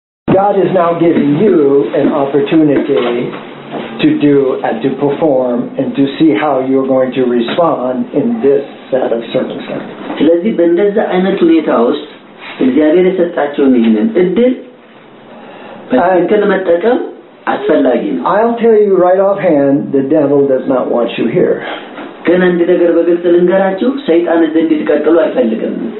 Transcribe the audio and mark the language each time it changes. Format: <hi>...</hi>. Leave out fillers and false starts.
<en>God is now giving you an opportunity to do and to perform and to see how you're going to respond in this set of circumstances.</en> <am>ስለዚህ በእንደዛ አይነት ሁኔታ ውስጥ እግዚአብሔር የሰጣቸው ምንን እድል በእንትን መጠቀም አስፈልጊ ነው።</am> <en>I'll tell you right off hand the devil does not want you here.</en> <am>ግን አንድ ነገር በግልጽ ልንገራችሁ ሰይጣን እንደዚህ ይቀጥሉ አይፈልግም።</am>